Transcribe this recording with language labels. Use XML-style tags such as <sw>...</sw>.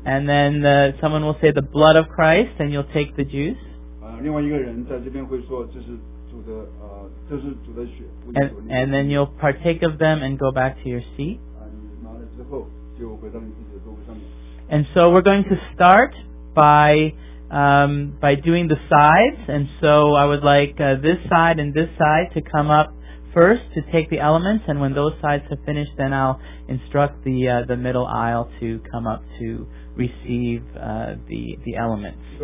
<en>And then someone will say the blood of Christ, and you'll take the juice.</en> <zh>另外一个人在这边会说这是主的血。</zh> <en>And then you'll partake of them and go back to your seat.</en> <zh>你拿了之后就回到你自己的座位上面。</zh> <en>And so we're going to start by doing the sides, and so I would like this side and this side to come up first to take the elements, and when those sides have finished, then I'll instruct the middle aisle to come up to receive the elements.</en>